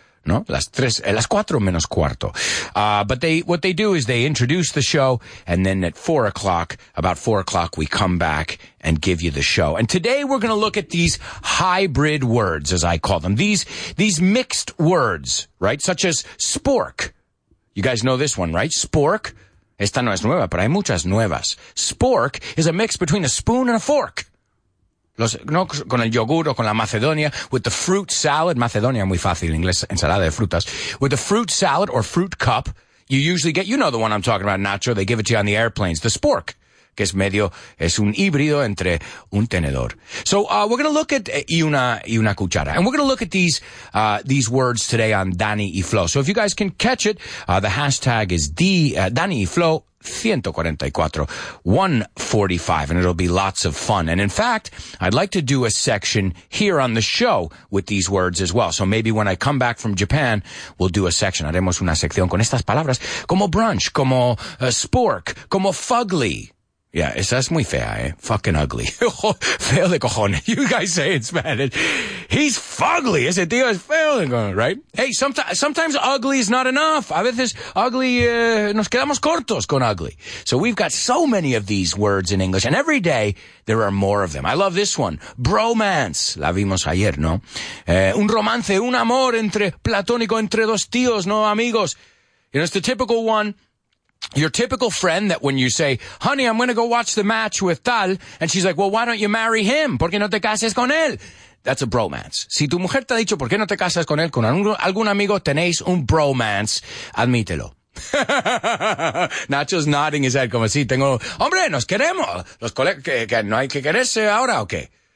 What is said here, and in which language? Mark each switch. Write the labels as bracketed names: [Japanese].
[Spanish] No, las cuatro menos cuarto. [English] But what they do is they introduce the show, and then at 4 o'clock, about 4 o'clock, we come back and give you the show. And today we're going to look at these hybrid words, as I call them, these mixed words, right? Such as spork. You guys know this one, right? Spork. [Spanish] Esta no es nueva, pero hay muchas nuevas. [English] Spork is a mix between a spoon and a fork. [Spanish] Con el yogur o con la Macedonia, [English] with the fruit salad, Macedonia, [Spanish] muy fácil, en inglés, ensalada de frutas, [English] with the fruit salad or fruit cup, you usually get, you know the one I'm talking about, Nacho, they give it to you on the airplanes, the spork, [Spanish] que es medio, es un híbrido entre un tenedor. [English] So we're going to look at, [Spanish] y una cuchara, [English] and we're going to look at these words today on Dani y Flo. So if you guys can catch it, the hashtag is Dani y Flo, 144, 145, and it'll be lots of fun. And in fact, I'd like to do a section here on the show with these words as well. So maybe when I come back from Japan, we'll do a section. [Spanish] Haremos una sección con estas palabras, como brunch, como spork, como fugly. Yeah, esa es muy fea, eh? [English] Fucking ugly. [Spanish] Feo de cojones. [English] You guys say it's bad. He's fugly. [Spanish] Ese tío es feo de cojones, [English] right? Hey, sometimes ugly is not enough. [Spanish] A veces ugly, nos quedamos cortos con ugly. [English] So we've got so many of these words in English, and every day there are more of them. I love this one. [Spanish] Bromance. La vimos ayer, ¿no? Un romance, un amor entre platónico entre dos tíos, ¿no, amigos? [English] You know, it's the typical one. Your typical friend that when you say, honey, I'm going to go watch the match with tal, and she's like, well, why don't you marry him? [Spanish] ¿Por qué no te casas con él? [English] That's a bromance. [Spanish] Si tu mujer te ha dicho, ¿por qué no te casas con él? Con algún amigo tenéis un bromance, admítelo. [English] Nacho's nodding his head, [Spanish] como si tengo, hombre, nos queremos. Los colegas, que no hay que quererse ahora, ¿o qué?